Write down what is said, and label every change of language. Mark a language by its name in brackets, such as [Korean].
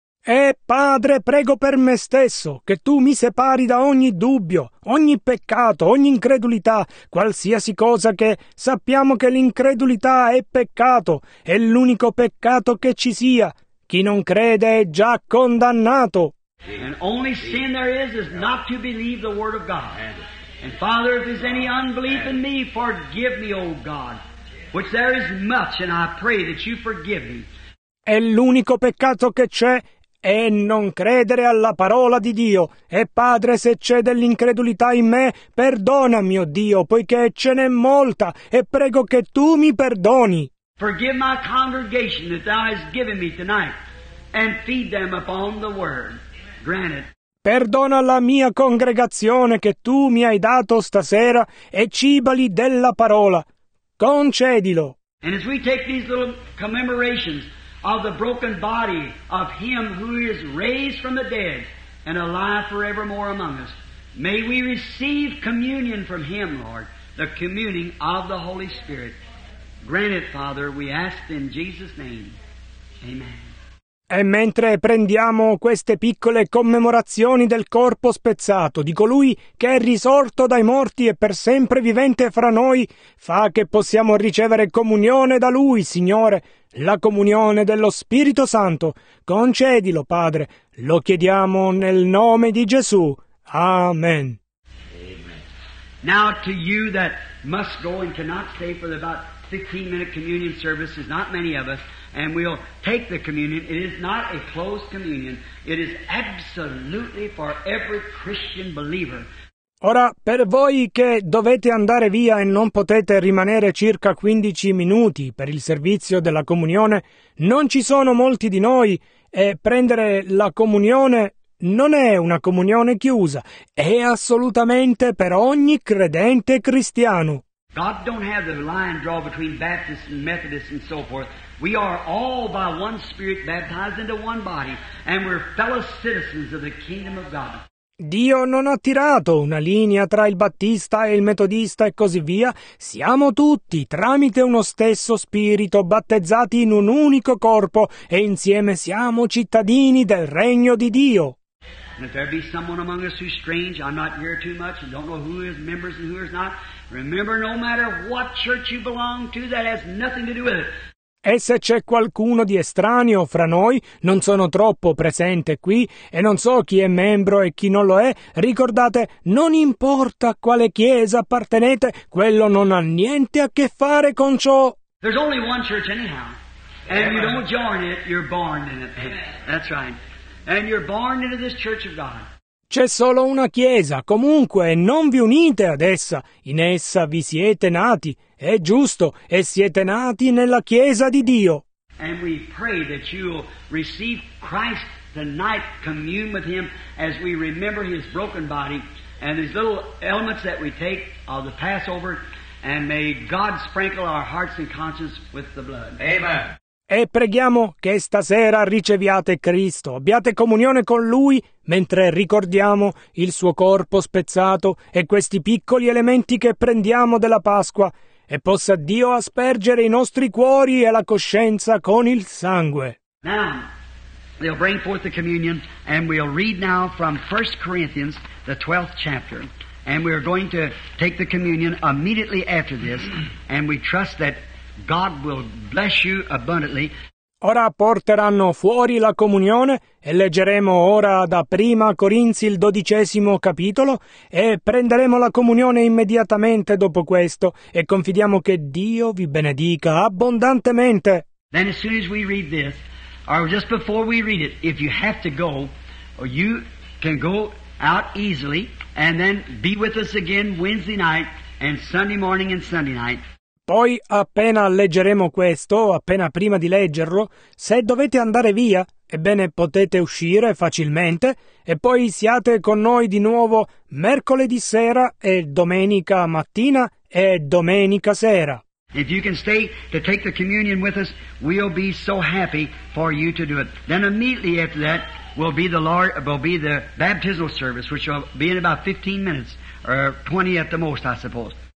[Italian] E Padre, prego per me stesso che tu mi separi da ogni dubbio, ogni peccato, ogni incredulità, qualsiasi cosa che sappiamo che l'incredulità è peccato, è l'unico peccato che ci sia. Chi non crede è già condannato. [English] And only sin there is not to believe the word of God. And Father, if there's any unbelief in me, forgive me, O God, which there is much, and I pray that you forgive me. [Italian] È l'unico peccato che c'è è non credere alla parola di Dio. E Padre, se c'è dell'incredulità in me, perdonami, O Dio, poiché ce n'è molta, e prego che tu mi perdoni. [English] Forgive my congregation that thou hast given me tonight, and feed them upon the word. Granted. [Italian] Perdona la mia congregazione che tu mi hai dato stasera e cibali della parola. Concedilo. [English] And as we take these little commemorations of the broken body of him who is raised from the dead and alive forevermore among us, may we receive communion from him, Lord, the communion of the Holy Spirit. Grant it, Father, we ask in Jesus' name. Amen. [Italian] E mentre prendiamo queste piccole commemorazioni del corpo spezzato di colui che è risorto dai morti e per sempre vivente fra noi, fa che possiamo ricevere comunione da Lui, Signore, la comunione dello Spirito Santo. Concedilo, Padre, lo chiediamo nel nome di Gesù. Amen. Amen. [English] Now to you that must go and cannot stay for about 15-minute communion service, there's not many of us, and we'll take the communion. It is not a closed communion. It is absolutely for every Christian believer. [Italian] Ora, per voi che dovete andare via e non potete rimanere circa 15 minuti per il servizio della comunione, non ci sono molti di noi, e prendere la comunione non è una comunione chiusa, è assolutamente per ogni credente cristiano. [English] God don't have the line draw between Baptists and Methodists and so forth. We are all by one Spirit baptized into one body, and we're fellow citizens of the kingdom of God. [Italian] Dio non ha tirato una linea tra il Battista e il Metodista e così via. Siamo tutti, tramite uno stesso Spirito, battezzati in un unico corpo, e insieme siamo cittadini del Regno di Dio. [English] And if there be someone among us who's strange, I'm not here too much, and don't know who is members and who is not, remember, no matter what church you belong to, that has nothing to do with it. [Italian] E se c'è qualcuno di estraneo fra noi, non sono troppo presente qui, e non so chi è membro e chi non lo è, ricordate, non importa a quale chiesa appartenete, quello non ha niente a che fare con ciò. [English] There's only one church anyhow, and you don't join it, you're born in it. That's right. And you're born into this church of God. [Italian] C'è solo una chiesa, comunque, e non vi unite ad essa. In essa vi siete nati, è giusto, e siete nati nella chiesa di Dio. [English] And we pray that you'll receive Christ tonight, commune with him, as we remember his broken body, and his little elements that we take of the Passover, and may God sprinkle our hearts and conscience with the blood. Amen. [Italian] E preghiamo che stasera riceviate Cristo, abbiate comunione con Lui mentre ricordiamo il suo corpo spezzato e questi piccoli elementi che prendiamo della Pasqua, e possa Dio aspergere i nostri cuori e la coscienza con il sangue. [English] Now, they'll bring forth the communion, and we'll read now from 1 Corinthians, the 12th chapter, and we're going to take the communion immediately after this, and we trust that God will bless you abundantly. [Italian] Ora porteranno fuori la comunione e leggeremo ora da Prima Corinzi il 12° capitolo e prenderemo la comunione immediatamente dopo questo e confidiamo che Dio vi benedica abbondantemente. [English] Then as soon as we read this, or just before we read it, if you have to go, you can go out easily and then be with us again Wednesday night and Sunday morning and Sunday night. [Italian] Poi, appena leggeremo questo, appena prima di leggerlo, se dovete andare via, ebbene potete uscire facilmente, e poi siate con noi di nuovo mercoledì sera e domenica mattina e domenica sera. [English] If you can stay to take the communion with us, we'll be so happy for you to do it. Then immediately after that will be the baptismal service, which will be in about 15 minutes, or 20 at the most, I suppose.